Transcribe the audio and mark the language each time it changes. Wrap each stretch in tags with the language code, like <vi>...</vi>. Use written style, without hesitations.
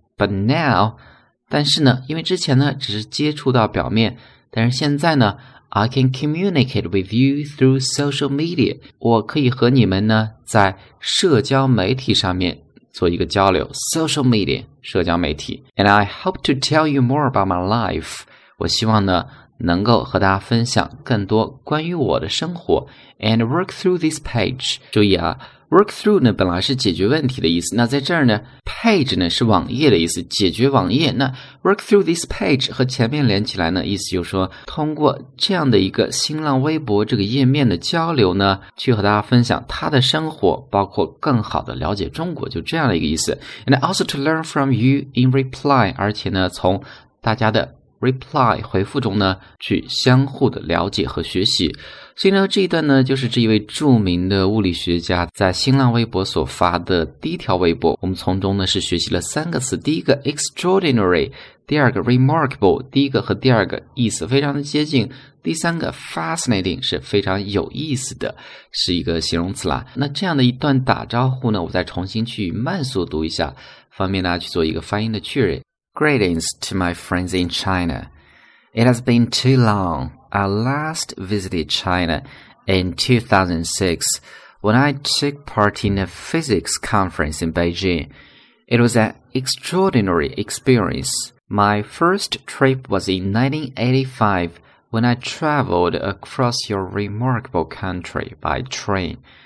<en>But now,</en> <zh>但是呢，因为之前呢只是接触到表面，但是现在呢</zh> <en>I can communicate with you through social media.</en> <zh>我可以和你们呢在社交媒体上面做一个交流， social media, 社交媒体。</zh> <en>And I hope to tell you more about my life.</en> <zh>我希望呢能够和大家分享更多关于我的生活。</zh> <en>And work through this page,</en> <zh>注意啊， work through 呢本来是解决问题的意思，那在这儿呢 page 呢是网页的意思，解决网页。那</zh> <en>work through this page</en> <zh>和前面连起来呢，意思就是说通过这样的一个新浪微博这个页面的交流呢去和大家分享他的生活，包括更好的了解中国，就这样的一个意思。</zh> <en>And also to learn from you in reply,</en> <zh>而且呢从大家的reply 回复中呢去相互的了解和学习。所以呢这一段呢就是这一位著名的物理学家在新浪微博所发的第一条微博，我们从中呢是学习了三个词，第一个 extraordinary, 第二个 remarkable, 第一个和第二个意思非常的接近，第三个 fascinating 是非常有意思的，是一个形容词啦。那这样的一段打招呼呢我再重新去慢速读一下，方便大家去做一个发音的确认。</zh> <en>Greetings to my friends in China. It has been too long. I last visited China in 2006 when I took part in a physics conference in Beijing. It was an extraordinary experience. My first trip was in 1985 when I traveled across your remarkable country by train.</en>